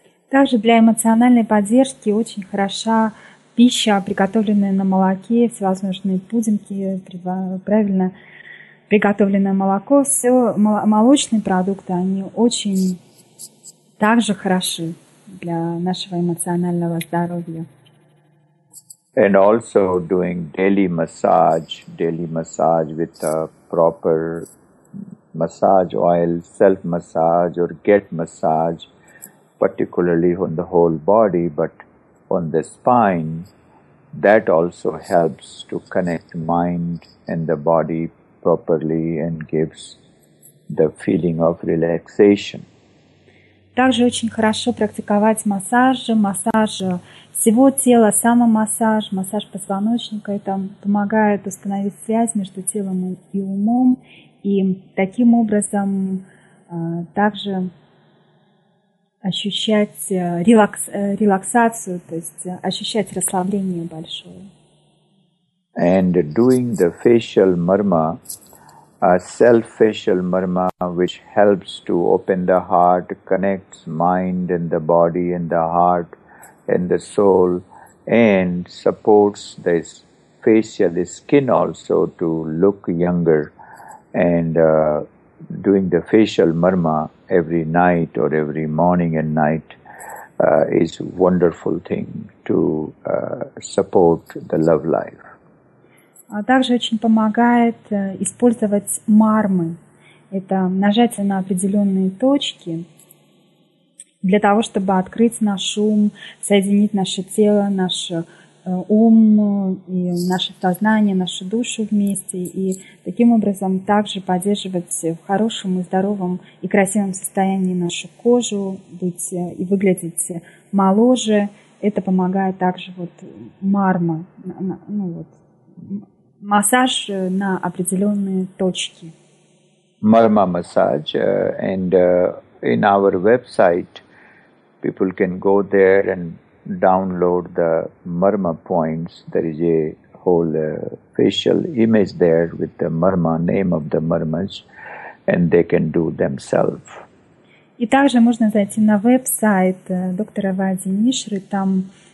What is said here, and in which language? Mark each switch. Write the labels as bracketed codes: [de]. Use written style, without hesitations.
[ru] Также для эмоциональной поддержки очень хороша пища, приготовленная на молоке, всевозможные пудинги, правильно приготовленное молоко. Все молочные продукты, они очень также хороши для нашего эмоционального здоровья. [en] And also doing daily massage with a proper massage oil, self-massage or get massage. Particularly on the whole body, but on the spine, that also helps to connect mind and the body properly and gives the feeling of relaxation. [ru] Также очень хорошо практиковать массажи, массаж всего тела, самомассаж, массаж позвоночника. Это помогает установить связь между телом и умом, и таким образом также ощущать релаксацию, то есть ощущать расслабление большое. [en] And doing the facial marma, a self-facial marma, which helps to open the heart, connects mind and the body and the heart and the soul, and supports the facial skin also to look younger. And doing the facial marma every night or every morning and night is wonderful thing to support the love life. [ru] Также очень помогает использовать мармы. Это нажатие на определенные точки для того, чтобы открыть наш ум, соединить наше тело, наш ум и наше сознание, наши души вместе, и таким образом также поддерживать в хорошем и здоровом и красивом состоянии нашу кожу, быть и выглядеть моложе. Это помогает также вот марма, ну вот массаж на определенные точки. Марма массаж, [en] and in our website people can go there and download the marma points. There is a whole facial image there with the marma, name of the marmas, and they can do themselves. [ru] И также можно зайти на веб-сайт доктора Вади Мишры, там